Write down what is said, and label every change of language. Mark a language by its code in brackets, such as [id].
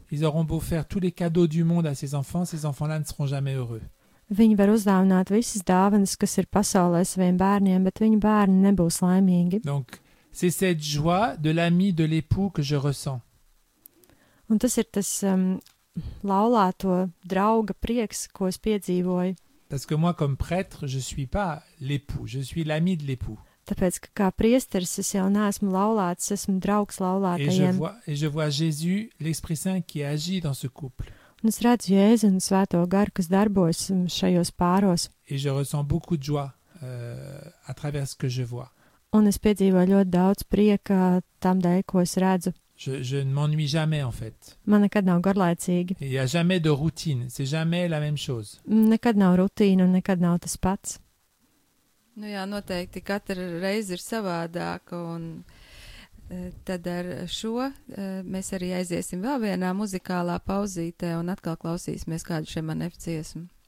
[fr] ils auront beau faire tous les cadeaux du monde à ces enfants-là ne seront jamais heureux. [lv] Viņi var uzdāvināt visas dāvanas, kas ir pasaulē saviem bērniem, bet viņu bērni nebūs laimīgi. [fr] Donc, c'est cette joie de l'ami, de l'époux que je ressens. [lv] Un tas ir tas laulāto drauga prieks, ko es piedzīvoju. [fr] Parce que moi, comme prêtre, je suis pas l'époux, je suis l'ami de l'époux. [lv] Tāpēc, ka kā priesteris, es jau neesmu laulāts, esmu draugs laulātajiem. [fr] Et je vois Jésus, l'Esprit Saint, qui agit dans ce couple. [lv] Un es redzu Jēzu un Svēto Garu, kas darbojas šajos pāros. [fr] Et je ressens beaucoup de joie à travers ce que je vois. [lv] Un es piedzīvoju ļoti daudz prieka tam dēļ, ko es redzu. [fr] Je ne m'ennuie jamais, en fait. [lv] Man nekad nav garlaicīgi. [fr] Il y a jamais de routine, c'est jamais la même chose. [lv] Nekad nav rutīna un nekad nav tas pats. Nu jā, noteikti katra reize ir savādāka un tad ar šo mēs arī aiziesim vēl vienā muzikālā pauzītē un atkal klausīsimies kādu šiem man efciesmu.